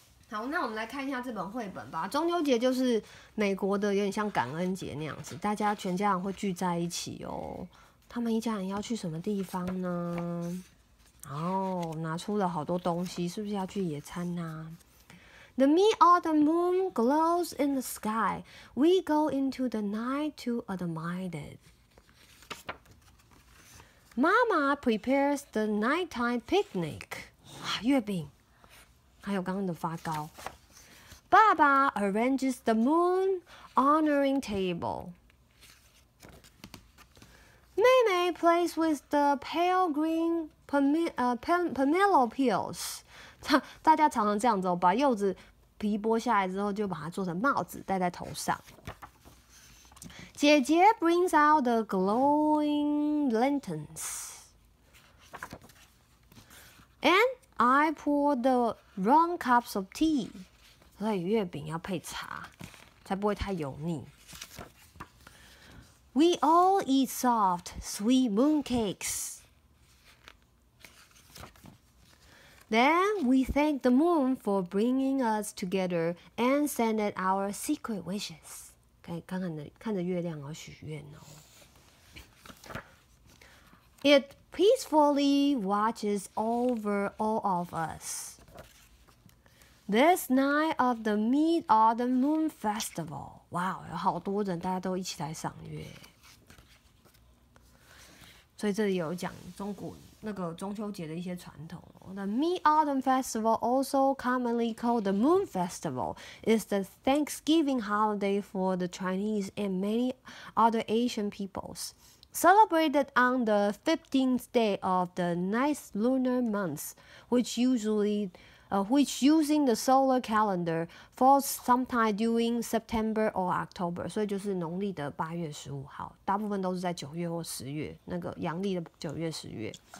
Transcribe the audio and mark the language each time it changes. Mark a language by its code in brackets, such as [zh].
[zh] 好，那我们来看一下这本绘本吧。中秋节就是美国的有点像感恩节那样子，大家全家人会聚在一起哦。他们一家人要去什么地方呢？哦，拿出了好多东西，是不是要去野餐呢？ [en] The mid-autumn moon glows in the sky. We go into the night to admire it. Mama prepares the nighttime picnic. [zh] 啊，月饼，还有刚刚的发糕。 [en] 爸爸 arranges the moon honoring table. 妹妹 plays with the pale green pomelo peels. [zh] 大家常常这样子、哦、把柚子皮剥下来之后就把它做成帽子戴在头上。 [en] 姐姐 brings out the glowing lanterns. And I pour the wrong cups of tea. [zh] 所以月饼要配茶才不会太油腻。 [en] We all eat soft, sweet moon cakes. Then we thank the moon for bringing us together and send it our secret wishes. [zh] 可以看看的，看着月亮而许愿哦。 [en] It peacefully watches over all of us. This night of the Mid-Autumn Moon Festival. [zh] Wow, 有好多人，大家都一起来赏月。所以这里有讲中国那个中秋节的一些传统。 [en] The Mid-Autumn Festival, also commonly called the Moon Festival, is the Thanksgiving holiday for the Chinese and many other Asian peoples. Celebrated on the 15th day of the ninth lunar month, which using the solar calendar falls sometime during September or October， [zh] 所以就是农历的八月十五号，大部分都是在九月或十月，那个阳历的九月、十月。